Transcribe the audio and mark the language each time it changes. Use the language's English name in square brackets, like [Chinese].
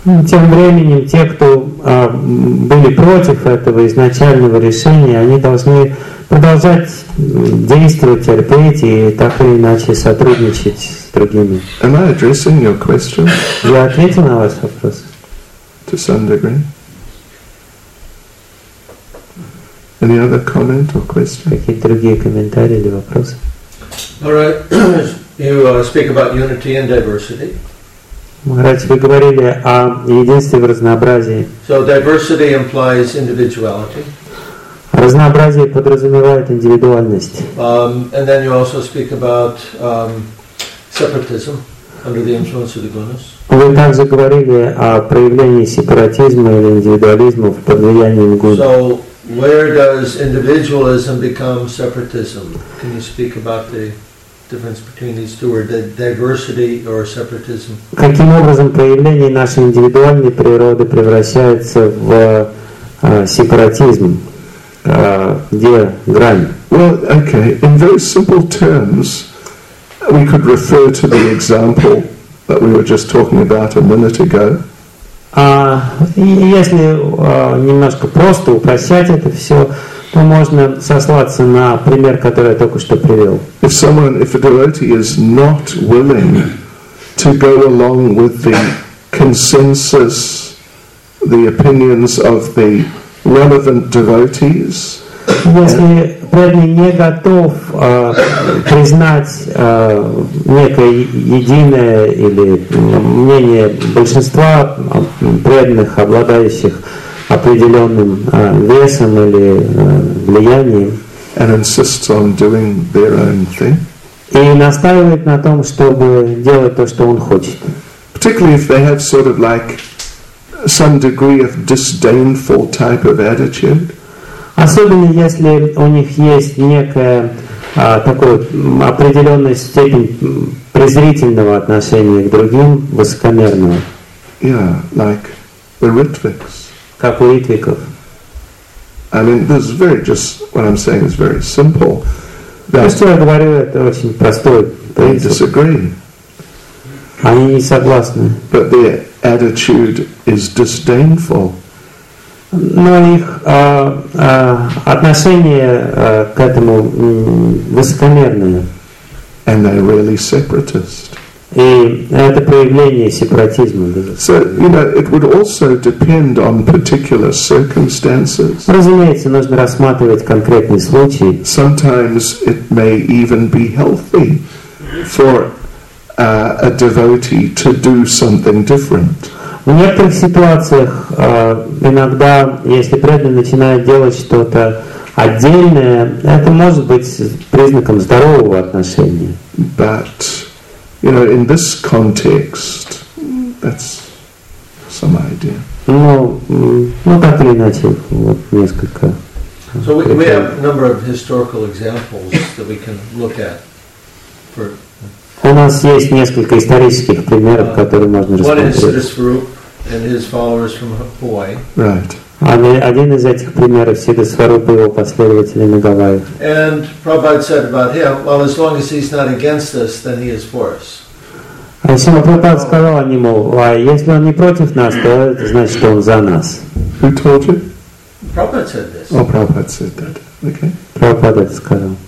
[Russian] Тем временем те, кто были против этого изначального решения, они должны продолжать действовать, терпеть и так или иначе сотрудничать с другими. [English] Am I addressing your question? [Russian] Я ответил на ваш вопрос. [English] To some degree. Any other comment or question? [Russian] Какие другие комментарии или вопросы? [English] All right. You speak about unity and diversity. [Russian] Мы вы говорили о единстве в разнообразии. [English] So diversity implies individuality. [Russian] Разнообразие подразумевает индивидуальность. [English] And then you also speak about separatism under the influence of the gunas. [Russian] Вы также говорили о проявлении сепаратизма или индивидуализма под влиянием гуны. [English] So, where does individualism become separatism? Can you speak about the difference between these two, or the diversity or separatism? [Russian] Каким образом проявление нашей индивидуальной природы превращается в сепаратизм? Где грань? [English] Well, okay. In very simple terms, we could refer to the example that we were just talking about a minute ago. [Russian] Если немножко просто упрощать это все, то можно сослаться на пример, который я только что привел. [English] If a devotee is not willing to go along with the consensus, the opinions of the relevant devotees, [Russian] если преданный не готов признать некое единое или мнение большинства преданных, обладающих определенным весом или влиянием, [English] and insists on doing their own thing, [Russian] и настаивает на том, чтобы делать то, что он хочет. [English] Particularly if they have sort of like some degree of disdainful type of attitude. [Russian] Особенно если у них есть некая такая определенная степень презрительного отношения к другим, высокомерного. [English] Yeah, like the Ritviks. [Russian] Как у Ритвиков. [English] I mean, this is very just what I'm saying is very simple. [Russian] То, что я говорю, это очень простой [English] They disagree. [Russian] Они не согласны. [English] But their attitude is disdainful. [Russian] Но их отношение к этому высокомерное. [English] And they're really separatist. [Russian] И это проявление сепаратизма. [English] So, you know, it would also depend on particular circumstances. [Russian] Разумеется, нужно рассматривать конкретные случаи. [English] Sometimes it may even be healthy for a devotee to do something different. [Russian] В некоторых ситуациях иногда, если преданный начинает делать что-то отдельное, это может быть признаком здорового отношения. [English] But, you know, in this context, that's some idea. [Russian] Ну, так или иначе, вот несколько. [English] So we have a number of historical examples that we can look at for. [Russian] У нас есть несколько исторических примеров, которые можно рассмотреть. [English] And his followers from Hawaii. Right. [Russian] Один из этих примеров — Сиддхасварупа и его последователи на Гавайях. [English] And Prabhupada said about him, well, as long as he's not against us, then he is for us. And [Russian] Srila Prabhupada сказал о нем, а если он не против нас, то это значит, что он за нас. [English] Who told you? Prabhupada said this. Oh, Prabhupada said that. Okay. [Russian] Prabhupada сказал.